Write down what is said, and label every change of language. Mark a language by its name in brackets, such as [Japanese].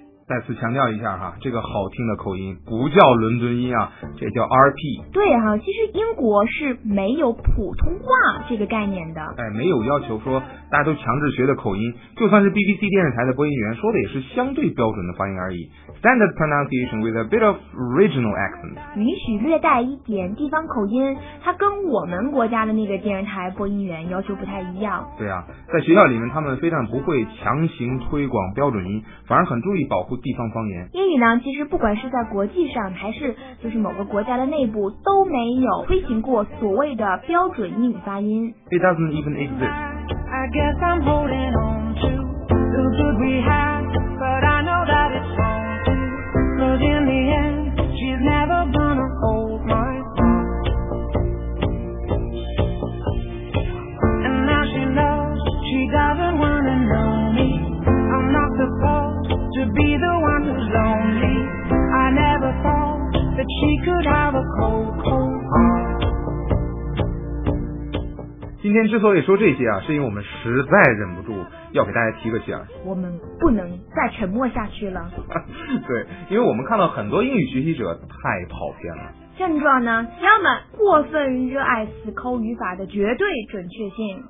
[Chinese] 再次强调一下哈，这个好听的口音不叫伦敦音啊，这叫 RP。对哈，其实英国是没有普通话这个概念的。哎，没有要求说大家都强制学的口音，就算是 BBC 电视台的播音员说的也是相对标准的发音而已。 [English] Standard pronunciation with a bit of regional accent, [Chinese] 允许略带一点地方口音，它跟我们国家的那个电视台播音员要求不太一样。对啊，在学校里面他们非但不会强行推广标准音，反而很注意保护地方方言。英语呢，其实不管是在国际上还是就是某个国家的内部，都没有推行过所谓的标准英语发音。 [English] It doesn't even exist. I guess I'm holding on to the good we have, but I know that it's hard to, cause in the end she's never gonna hold my hand, and now she knows she doesn't wanna know me, I'm not the fool to be the one who's lonely. I never thought that she could have a cold, cold heart. [Chinese] 今天之所以说这些啊，是因为我们实在忍不住要给大家提个醒，我们不能再沉默下去了对，因为我们看到很多英语学习者太跑偏了。症状呢，要么过分热爱死抠语法的绝对准确性，